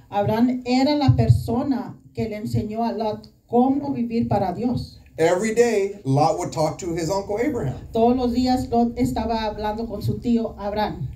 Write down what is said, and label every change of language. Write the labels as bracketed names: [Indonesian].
[Spanish] Abraham era la persona que le enseñó a Lot cómo vivir para Dios. [English] Every day, Lot would talk to his uncle Abraham. [Spanish] Todos los días, Lot estaba hablando con su tío Abraham.